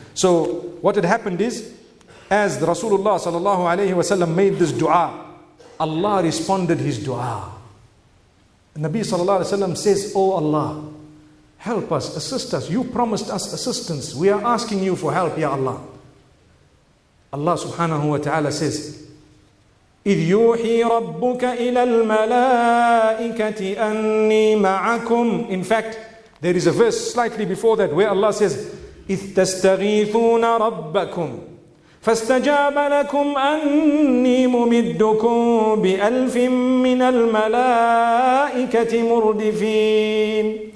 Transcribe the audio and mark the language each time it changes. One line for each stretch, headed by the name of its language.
English: So what had happened is, as the Rasulullah sallallahu alayhi wa sallam made this dua, Allah responded his dua. Nabi sallallahu alayhi wa sallam says, oh Allah, help us, assist us. You promised us assistance. We are asking you for help, ya Allah. Allah subhanahu wa ta'ala says,
Arabic: إِذْ يُوحِي رَبُّكَ إِلَى الْمَلَائِكَةِ أَنِّي مَعَكُمْ.
English: In fact, there is a verse slightly before that where Allah says,
Arabic: إِذْ تَسْتَغِيثُونَ رَبَّكُمْ فَاسْتَجَابَ لَكُمْ أَنِّي مُمِدُّكُمْ بِأَلْفٍ مِّنَ الْمَلَائِكَةِ مُرْدِفِينَ.